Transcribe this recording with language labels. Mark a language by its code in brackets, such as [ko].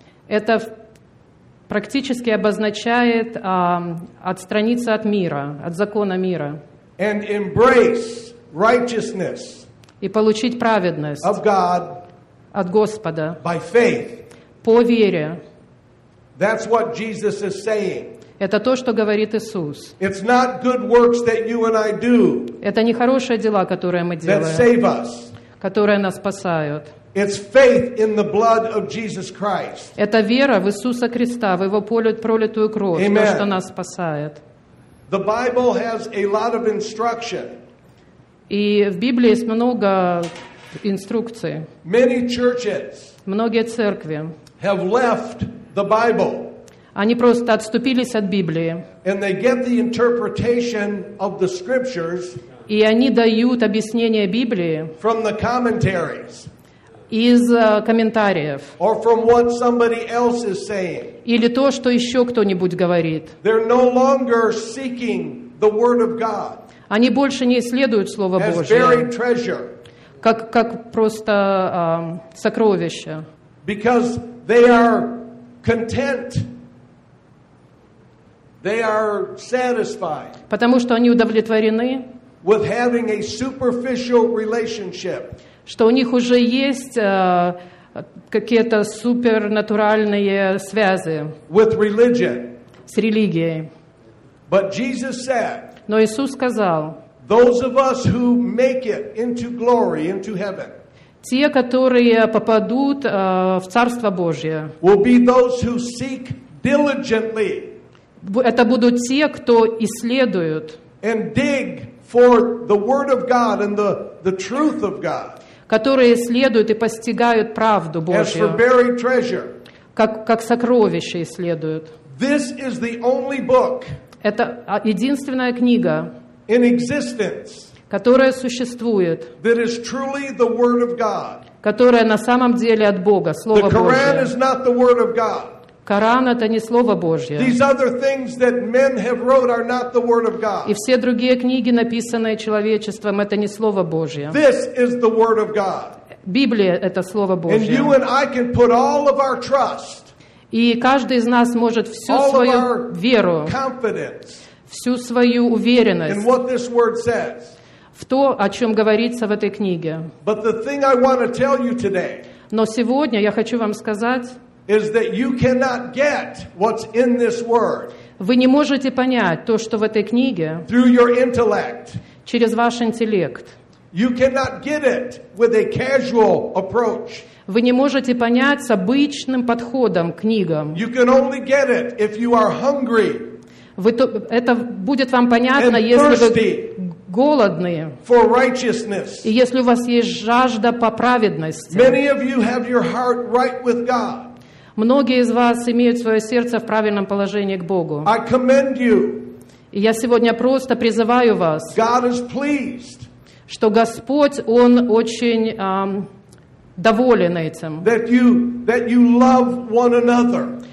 [ru] Это практически обозначает отстраниться от мира, от закона мира. [en] And embrace righteousness. [ru] И получить праведность. [en] Of God. [ru] От Господа. [en] By faith. [ru] По вере. [en] That's what Jesus is saying. [ru] Это то, что говорит Иисус. [en] It's not good works that you and I do. [ru] Это не хорошие дела, которые мы делаем. [en] That save us. [ru] Которые нас спасают. [en] It's faith in the blood of Jesus Christ. [ru] Это вера в Иисуса Христа, в его пролитую кровь, то, что нас спасает. [en] The Bible has a lot of instruction. [ru] И в Библии есть много инструкций. [en] Many churches. [ru] Многие церкви. [en] Have left the Bible. [ru] Они просто отступились от Библии. [en] And they get the interpretation of the scriptures. [ru] И они дают объяснение Библии. [en] From the commentaries. [ru] Из комментариев. [en] Or from what somebody else is saying. [ru] Или то, что еще кто-нибудь говорит. [en] They're no longer seeking the word of God. [ru] Они больше не исследуют Слово Божие. [en] As buried treasure. [ru] Как просто сокровище. [en] Because they are content. They are satisfied. [ru] Потому что они удовлетворены. [en] With having a superficial relationship. [ru] Что у них уже есть какие-то супернатуральные связи [en] with religion. [ru] С религией. [en] But Jesus said, [ru] но Иисус сказал, [en] those of us who make it into glory, into heaven, [ru] те, которые попадут в Царство Божие, [en] will be those who seek diligently, [ru] это будут те, кто исследуют [en] and dig for the word of God and the truth of God. [ru] Которые исследуют и постигают правду Божью. Как сокровища исследуют. [en] This is the only book. [ru] Это единственная книга. [en] In existence. [ru] Которая существует. [en] That is truly the word of God. [ru] Которая на самом деле от Бога. Слово Божье. [en] The Quran is not the word of God. [ru] Коран это не слово Божье. [en] These other things that men have wrote are not the word of God. [ru] И все другие книги, написанные человечеством, это не слово Божье. [en] This is the word of God. [ru] Библия это слово Божье. [en] And you and I can put all of our trust. [ru] И каждый из нас может всю свою веру, [en] confidence, [ru] всю свою уверенность [en] in what this word says. [ru] В то, о чем говорится в этой книге. [en] But the thing I want to tell you today. [ru] Но сегодня я хочу вам сказать. [en] Is that you cannot get what's in this word. [ru] Вы не можете понять то, что в этой книге. [en] Through your intellect. [ru] Через ваш интеллект. [en] You cannot get it with a casual approach. [ru] Вы не можете понять с обычным подходом к книгам. [en] You can only get it if you are hungry. [ru] Это будет вам понятно, если вы голодные. [en] For righteousness. [ru] И если у вас есть жажда по праведности. [en] Many of you have your heart right with God. [ru] Многие из вас имеют свое сердце в правильном положении к Богу. [en] I commend you. [ru] Я сегодня просто призываю вас, [en] God is pleased. [ru] Что Господь, Он очень доволен этим. [en] That you love one another.